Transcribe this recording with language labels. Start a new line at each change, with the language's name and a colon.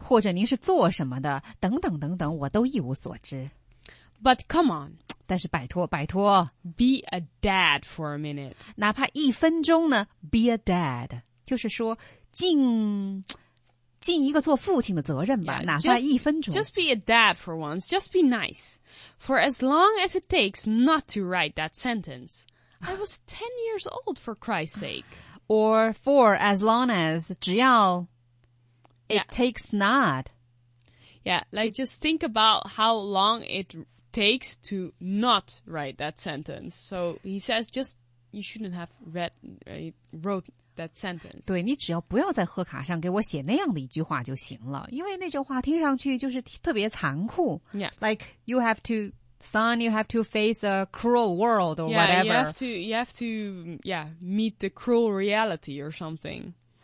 Chinese: 或者您是做什么的等等等等我都一无所知。
English: But come on.
Chinese: 但是拜托拜托。
English: Be a dad for a minute.
Chinese: 哪怕一分钟呢 ,
English: be a dad.
Chinese: 就是说尽一个做父亲的责任吧
English: yeah,
Chinese: 哪怕一分钟。
English: Just be a dad for once, just be nice. For as long as it takes not to write that sentence. I was 10 years old for Christ's sake. Or for as long as,
Chinese: 只要
English: It yeah. takes not. Yeah, like just think about how long it takes to not write that sentence. So he says just you shouldn't have wrote that sentence.
Chinese: 对你只要不要在贺卡上给我写那样的一句话就行了因为那句话听上去就是特别残酷。
English: Yeah. Like you have to, son, you have to face a cruel world or yeah, Yeah, you have to, yeah, meet the cruel reality or something.